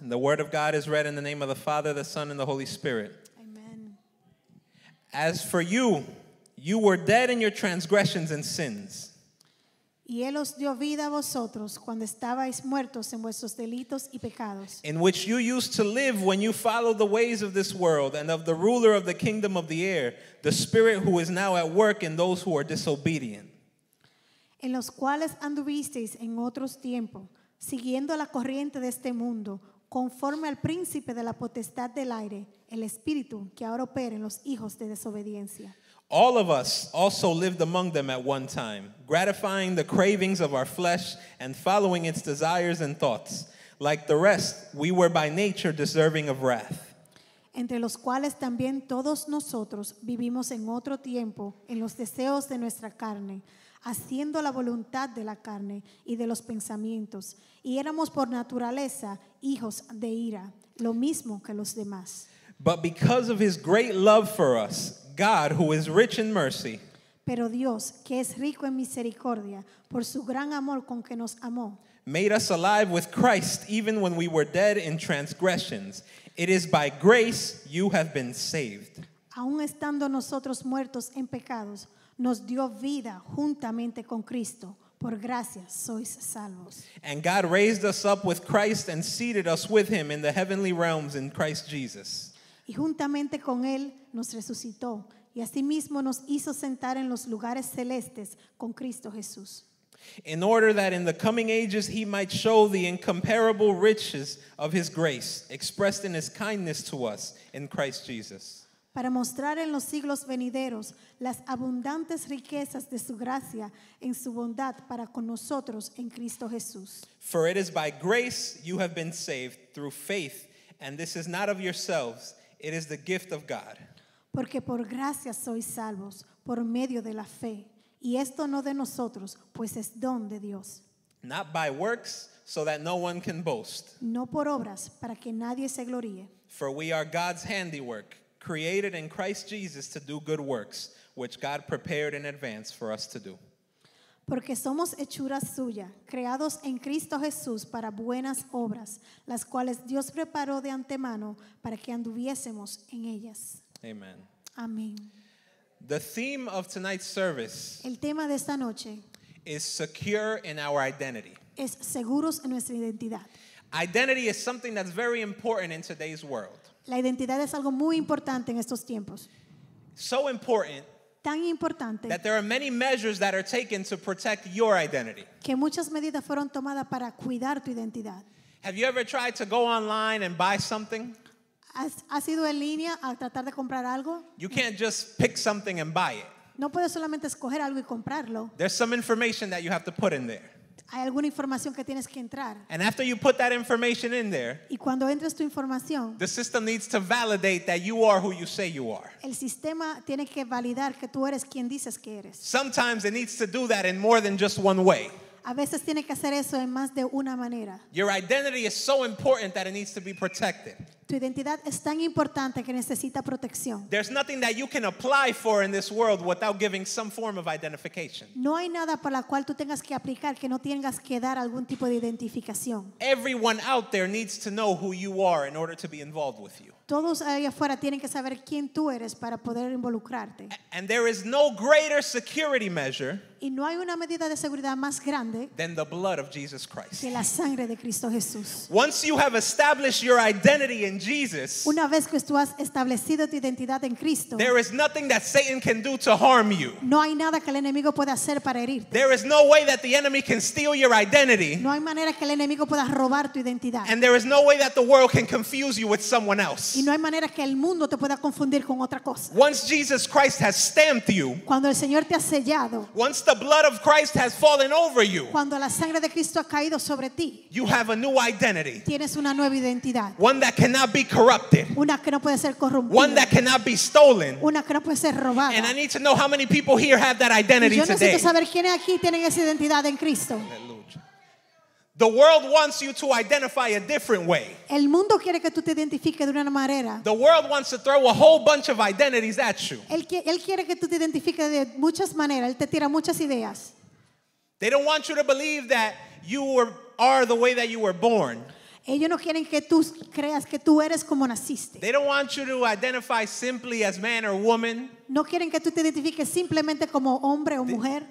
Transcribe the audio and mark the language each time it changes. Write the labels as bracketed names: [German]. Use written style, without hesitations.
[English] And the word of God is read in the name of the Father, the Son, and the Holy Spirit. Amen. As for you, you were dead in your transgressions and sins. [Spanish] Y él os dio vida a vosotros cuando estabais muertos en vuestros delitos y pecados. [English] In which you used to live when you followed the ways of this world and of the ruler of the kingdom of the air, the spirit who is now at work in those who are disobedient. [Spanish] En los cuales anduvisteis en otros tiempos, siguiendo la corriente de este mundo, conforme al príncipe de la potestad del aire, el espíritu que ahora opera en los hijos de desobediencia. [English] All of us also lived among them at one time, gratifying the cravings of our flesh and following its desires and thoughts. Like the rest, we were by nature deserving of wrath. [Spanish] Entre los cuales también todos nosotros vivimos en otro tiempo en los deseos de nuestra carne, haciendo la voluntad de la carne y de los pensamientos, y éramos por naturaleza hijos de ira, lo mismo que los demás. [English] But because of his great love for us, God, who is rich in mercy, [Spanish] pero Dios, que es rico en misericordia, por su gran amor con que nos amó, [English] made us alive with Christ even when we were dead in transgressions. It is by grace you have been saved. [Spanish] Aun estando nosotros muertos en pecados, nos dio vida juntamente con Cristo. Por gracia sois salvos. [English] And God raised us up with Christ and seated us with him in the heavenly realms in Christ Jesus. [Spanish] Y juntamente con él nos resucitó y asimismo nos hizo sentar en los lugares celestes con Cristo Jesús. [English] In order that in the coming ages he might show the incomparable riches of his grace expressed in his kindness to us in Christ Jesus. [Spanish] Para mostrar en los siglos venideros las abundantes riquezas de su gracia en su bondad para con nosotros en Cristo Jesús. [English] For it is by grace you have been saved through faith, and this is not of yourselves, it is the gift of God. [Spanish] Porque por gracia sois salvos, por medio de la fe, y esto no de nosotros, pues es don de Dios. [English] Not by works, so that no one can boast. [Spanish] No por obras, para que nadie se gloríe. [English] For we are God's handiwork, created in Christ Jesus to do good works, which God prepared in advance for us to do. [Spanish] Porque somos hechura suya, creados en Cristo Jesús para buenas obras, las cuales Dios preparó de antemano para que anduviésemos en ellas. [English] Amen. [Spanish] Amén. [English] The theme of tonight's service, [Spanish] el tema de esta noche, [English] is secure in our identity. [Spanish] Es seguros en nuestra identidad. [English] Identity is something that's very important in today's world. [Spanish] La identidad es algo muy importante en estos tiempos. [English] So important, [Spanish] tan importante, [English] that there are many measures that are taken to protect your identity. [Spanish] Que muchas medidas fueron tomadas para cuidar tu identidad. [English] Have you ever tried to go online and buy something? [Spanish] ¿Has ido en línea a tratar de comprar algo? [English] You can't just pick something and buy it. [Spanish] No puedes solamente escoger algo y comprarlo. [English] There's some information that you have to put in there. [Spanish] Hay alguna información que tienes que entrar. [English] And after you put that information in there, [Spanish] y cuando entras tu información, [English] the system needs to validate that you are who you say you are. [Spanish] El sistema tiene que validar que tú eres quien dices que eres. [English] Sometimes it needs to do that in more than just one way. [Spanish] A veces tiene que hacer eso en más de una manera. [English] Your identity is so important that it needs to be protected. [Spanish] Tu identidad es tan importante que necesita protección. [English] There's nothing that you can apply for in this world without giving some form of identification. [Spanish] No hay nada por la cual tú tengas que aplicar que no tengas que dar algún tipo de identificación. [English] Everyone out there needs to know who you are in order to be involved with you. [Spanish] Todos allá afuera tienen que saber quién tú eres para poder involucrarte. [English] And there is no greater security measure. [Spanish] Y no hay una medida de seguridad más grande [English] than the blood of Jesus Christ. [Spanish] Que la sangre de Cristo Jesús. [English] Once you have established your identity in Jesus, [Spanish] una vez que tú has establecido tu identidad en Cristo, [English] there is nothing that Satan can do to harm you. [Spanish] No hay nada que el enemigo pueda hacer para herirte. [English] There is no way that the enemy can steal your identity. [Spanish] No hay manera que el enemigo pueda robar tu identidad. [English] And there is no way that the world can confuse you with someone else. [Spanish] Y no hay manera que el mundo te pueda confundir con otra cosa. [English] Once Jesus Christ has stamped you. [Spanish] Cuando el Señor te ha sellado. [English] Once the blood of Christ has fallen over you. [Spanish] Cuando la sangre de Cristo ha caído sobre ti. [English] You have a new identity. [Spanish] Tienes una nueva identidad. [English] One that cannot be corrupted. [Spanish] Una que no puede ser corrompida. [English] One that cannot be stolen. [Spanish] Una que no puede ser robada. [English] And I need to know how many people here have that identity today. [Spanish] Yo necesito saber quiénes aquí tienen esa identidad en Cristo. [English] The world wants you to identify a different way. [Spanish] El mundo quiere que tú te identifiques de una manera. [English] The world wants to throw a whole bunch of identities at you. [Spanish] Él quiere que tú te identifiques de muchas maneras. Él te tira muchas ideas. [English] They don't want you to believe that you are the way that you were born. [Spanish] Ellos no quieren que tú creas que tú eres como naciste. [English] They don't want you to identify simply as man or woman. [Spanish] No quieren que tú te identifiques simplemente como hombre o mujer.